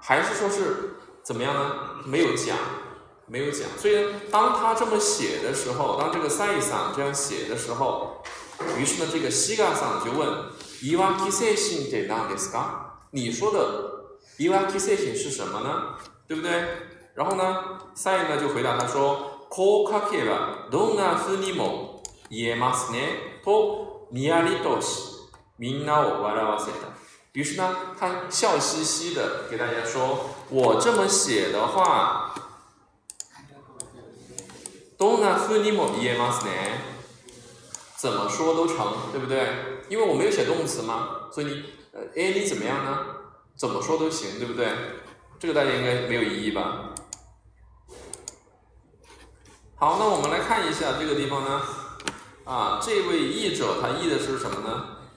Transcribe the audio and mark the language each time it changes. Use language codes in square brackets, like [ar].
[zh] 还是说是怎么样呢？没有讲。没有讲，所以当他这么写的时候，当这个サイさん这样写的时候，于是呢，这个シガさん就问 [ja] イワキ精神って何ですか？ [zh] 你说的イワキ精神是什么呢？对不对？然后呢，サイ呢就回答他说 [ja] こう書けばどんなふうにも言えますねとニヤリとしみんなを笑わせた。 [zh] 于是呢，他笑嘻嘻的给大家说，我这么写的话。 [ja] どんなふうにも言えますね。 [zh] 怎么说都成，对不对？因为我没有写动词嘛，所以你any 怎么样呢？怎么说都行，对不对？这个大家应该没有异议吧？好，那我们来看一下这个地方呢，啊，这位译者他译的是什么呢？